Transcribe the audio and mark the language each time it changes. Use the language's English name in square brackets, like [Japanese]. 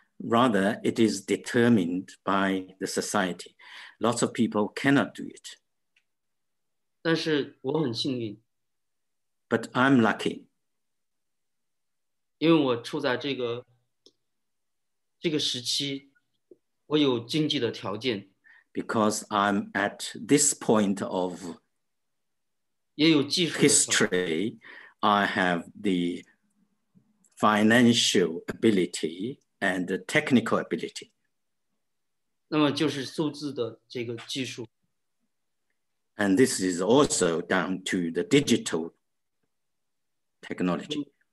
[English] Rather, it is determined by the society. Lots of people cannot do it. [Chinese] 但是我很幸运。 [English] But I'm lucky. [Chinese] 因为我处在这个时期，我有经济的条件。 [English] Because I'm at this point of history, I have the financial ability and the technical ability. [Chinese] 那么就是数字的这个技术。 [English] And this is also down to the digital technology.